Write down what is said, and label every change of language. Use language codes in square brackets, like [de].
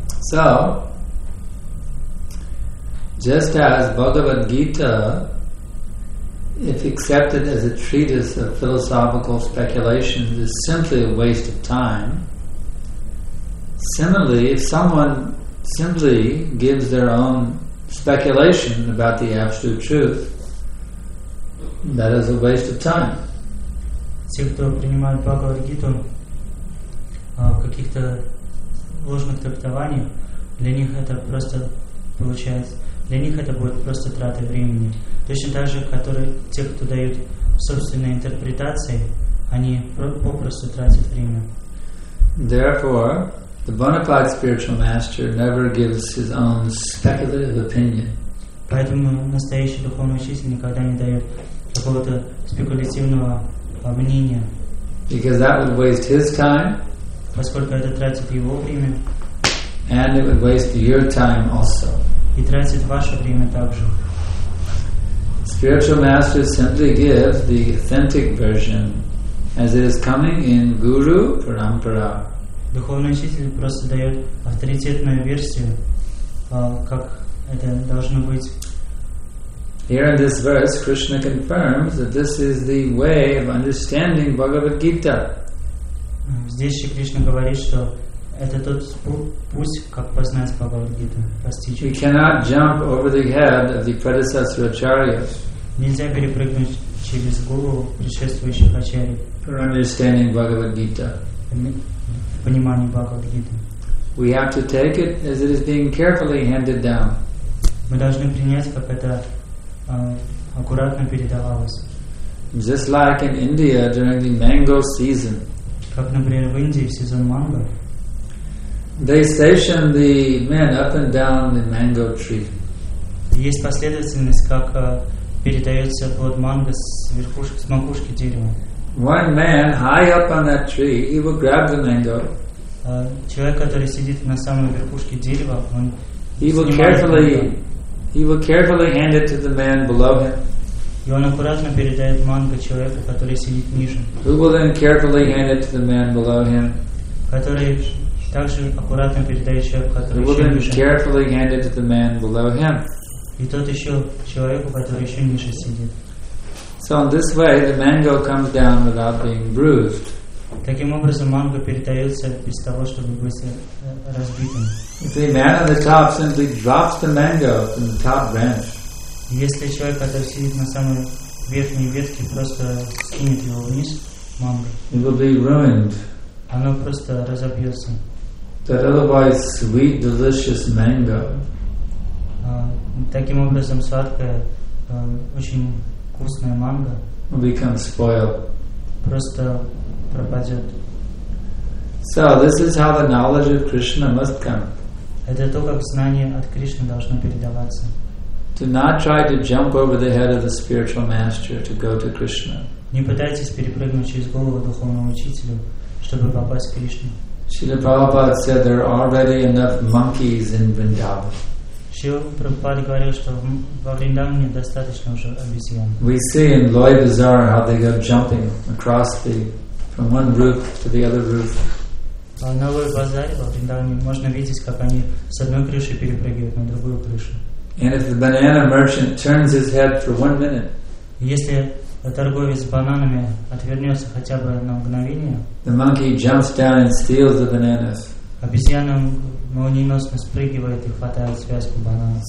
[en] So, just as Bhagavad Gita, if accepted as a treatise of philosophical speculation, is simply a waste of time, similarly, if someone simply gives their own speculation about the Absolute Truth, that is a waste of time. [ru] Те, кто принимает Бхагавад-гиту в каких-то ложных трактованиях, для них это просто получается, для них это будет просто трата времени. Точно так же, которые те, кто дают собственные интерпретации, они попросту тратят время. [en] Therefore, the bona fide spiritual master never gives his own speculative opinion. [ru] Поэтому настоящий духовный учитель никогда не дает какого-то спекулятивного мнение. [en] Because that would waste his time. [ru] Поскольку это тратит его время. [en] And it would waste your time also. [ru] И тратит ваше время также. [en] Spiritual masters simply give the authentic version as it is coming in Guru Parampara. [ru] Духовный учитель просто дает авторитетную версию, как это должно быть. [en] Here in this verse, Krishna confirms that this is the way of understanding Bhagavad Gita. [ru] Здесь же Кришна говорит, что это тот путь, как познать Бхагавад Гиту, постичь. [en] We cannot jump over the head of the predecessor acharyas. [ru] Нельзя перепрыгнуть через голову предшествующих ачарий. [en] For understanding Bhagavad Gita. [ru] Понимание Бхагавад Гиты. [en] We have to take it as it is being carefully handed down. [ru] Мы должны принять, как это аккуратно передавалось. [en] Just like in India during the mango season. [ru] Как, например, в Индии в сезон манго. [en] They station the men up and down the mango tree. [ru] Есть последовательность, как передается плод манго с макушки дерева. [en] One man high up on that tree, he will grab the mango. [ru] Человек, который сидит на самой верхушке дерева, он [en] he will carefully hand it to the man below him. [ru] И он аккуратно передает манго человеку, который сидит ниже. [en] Who will then carefully hand it to the man below him? [ru] Который также аккуратно передает человеку, который еще ниже. [en] Who will then carefully hand it to the man below him? [ru] И тот еще человеку, который еще ниже сидит. [en] So in this way, the mango comes down without being bruised. [ru] Таким образом, манго передается без того, чтобы быть разбитым. [en] If the man on the top simply drops the mango from the top branch. [ru] Если человек, который сидит на самой верхней ветке, просто скинет его вниз, манго, [en] it will be ruined. [ru] Оно просто разобьется. [en] That otherwise sweet, delicious mango. [ru] Таким образом, сладкое, очень вкусное манго [en] will become spoiled. [ru] Просто пропадет. [en] So this is how the knowledge of Krishna must come. [ru] Это то, как знание от Кришны должно передаваться. [en] Do not try to jump over the head of the spiritual master to go to Krishna. [ru] Не пытайтесь перепрыгнуть через голову духовного учителя, чтобы попасть к Кришне. [en] Srila Prabhupada said there are already enough monkeys in Vrindavan. [ru] Srila Prabhupada говорил, что в Вриндаване достаточно уже обезьян. [en] We see in Loy Bazaar how they go jumping across the from one roof to the other roof. [ru] На Лой Базаре, во Вриндаване, можно видеть, как они с одной крыши перепрыгивают на другую крышу. [en] And if the banana merchant turns his head for 1 minute, [ru] если торговец бананами отвернется хотя бы на мгновение, [en] the monkey jumps down and steals the bananas. [ru] Обезьяна молниеносно спрыгивает и хватает связку бананов.